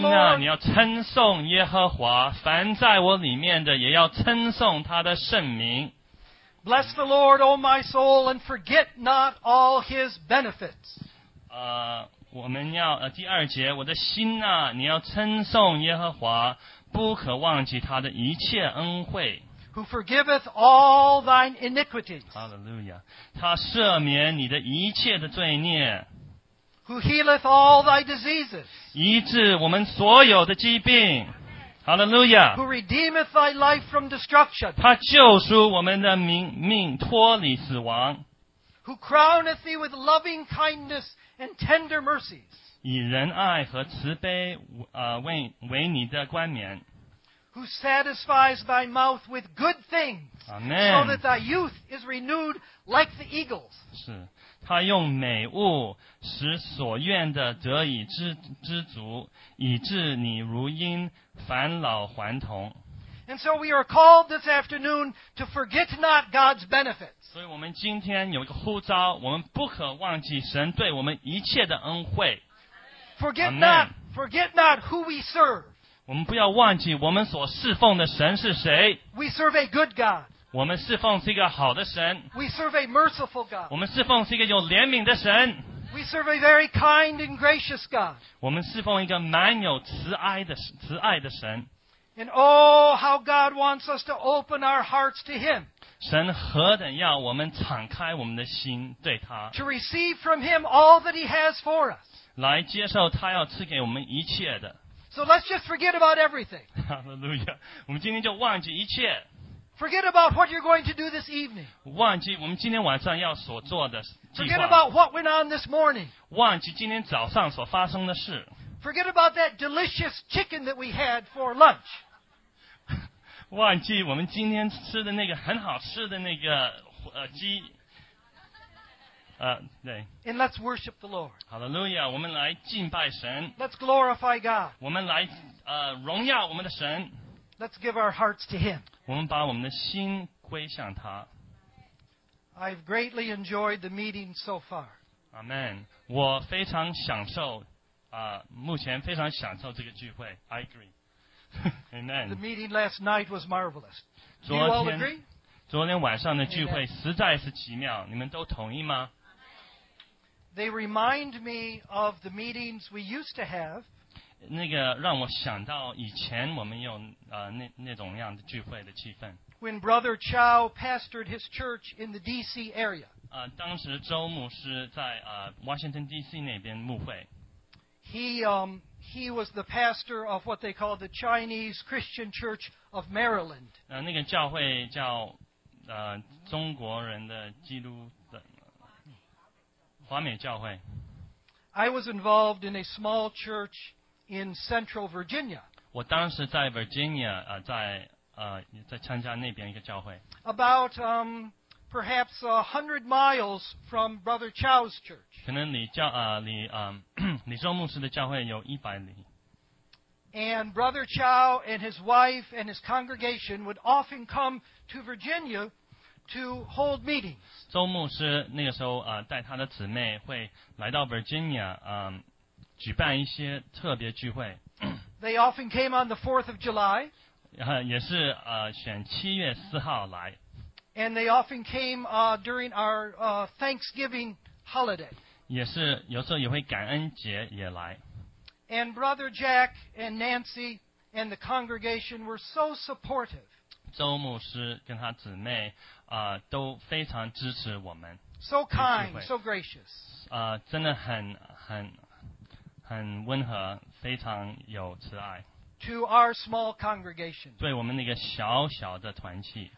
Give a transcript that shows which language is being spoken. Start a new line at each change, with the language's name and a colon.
Chinese: 我的心啊，你要称颂耶和华，凡在我里面的也要称颂他的圣名。
English: Bless the Lord, O my soul, and forget not all his benefits.
Chinese: 我们要第二节，我的心啊，你要称颂耶和华，不可忘记他的一切恩惠。
English: Who forgiveth all thine iniquities. Hallelujah.
Chinese: 他赦免你的一切的罪孽。
English: Who healeth all thy diseases.
Chinese: 医治我们所有的疾病。Hallelujah.
English: Who redeemeth thy life from destruction.
Chinese: 他救赎我们的命脱离死亡。
English: Who crowneth thee with loving kindness and tender mercies.
Chinese: 以仁爱和慈悲为你的冠冕。
English: Who satisfies thy mouth with good things. Amen. So that thy youth is renewed like the eagles.
Chinese: 是，他用美物使所愿的得以知足，以致你如鹰返老还童。
English: And so we are called this afternoon to forget not God's benefits.
Chinese: 所以我们今天有一个呼召，我们不可忘记神对我们一切的恩惠。
English: Forget not, forget not who we serve.
Chinese: 我们不要忘记我们所侍奉的神是谁。
English: We serve a good God.
Chinese: 我们侍奉是一个好的神。
English: We serve a merciful God.
Chinese: 我们侍奉是一个有怜悯的神。
English: We serve a very kind and gracious God.
Chinese: 我们侍奉一个蛮有慈爱的神。
English: And oh, how God wants us to open our hearts to Him.
Chinese: 神何等要我们敞开我们的心对他。
English: To receive from Him all that He has for us.
Chinese: 来接受他要赐给我们一切的。
English: So let's just forget about everything.
Chinese: Hallelujah. 我们今天就忘记一切。
English: Forget about what you're going to do this evening.
Chinese: 忘记我们今天晚上要所做的计划。
English: Forget about what went on this morning.
Chinese: 忘记今天早上所发生的事。
English: Forget about that delicious chicken that we had for lunch.
Chinese: 忘记我们今天吃的那个很好吃的那个鸡。对。
English: And let's worship the Lord.
Chinese: Hallelujah. 我们来敬拜神。
English: Let's glorify God.
Chinese: 我们来荣耀我们的神。
English: Let's give our hearts to Him.
Chinese: 我们把我们的心归向他。
English: I've greatly enjoyed the meeting so far. Amen.
Chinese: 我非常享受目前非常享受这个聚会。
English: I agree. Amen. The meeting last night was marvelous. Do you all agree?
Chinese: 昨天晚上的聚会实在是奇妙，你们都同意吗？
English: They remind me of the meetings we used to have.
Chinese: 那个让我想到以前我们有那种样的聚会的气氛。
English: When Brother Chow pastored his church in the D.C. area.
Chinese: 当时周牧师在Washington D.C. 那边牧会。
English: He was the pastor of what they call the Chinese Christian Church of Maryland.
Chinese: 那个教会叫中国人的基督的华美教会。
English: I was involved in a small church in Central Virginia.
Chinese: 我当时在 Virginia 在参加那边一个教会。
English: About perhaps 100 miles from Brother Chow's church.
Chinese: 可能李周牧师的教会有一百里。
English: And Brother Chow and his wife and his congregation would often come to Virginia to hold meetings.
Chinese: 周牧师那个时候带他的姊妹会来到 Virginia 举办一些特别聚会。
English: They often came on the 4th of July.
Chinese: 也是选七月四号来。
English: And they often came during our Thanksgiving holiday.
Chinese: 也是有时候也会感恩节也来。
English: And Brother Jack and Nancy and the congregation were so supportive.
Chinese: 周牧师跟他姊妹都非常支持我们。
English: So kind, so gracious.
Chinese: 真的很温和，非常有慈爱。
English: To our small congregation.
Chinese: 对我们那个小小的团契。